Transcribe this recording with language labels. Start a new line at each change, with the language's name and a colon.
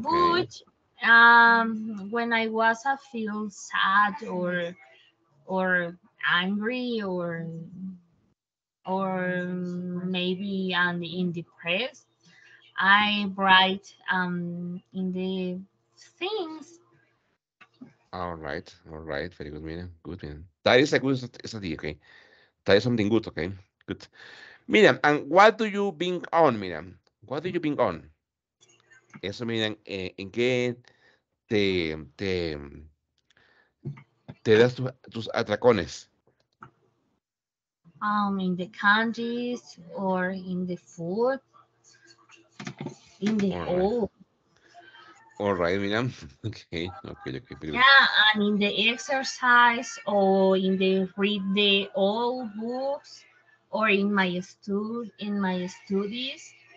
English: But when I was feel sad or angry or maybe in depressed, I write in the things. All right, very good, Miriam. Good, Miriam. That is a good study, okay? That is something good, okay? Good. Miriam, and what do you bring on, Miriam? What do you bring on?
Spanish: Eso, Miriam, ¿en qué te das tus atracones?
English: In the candies or in the food, in the All right, Miriam. Okay. Yeah, and in the exercise or in the read the old books or in my studies.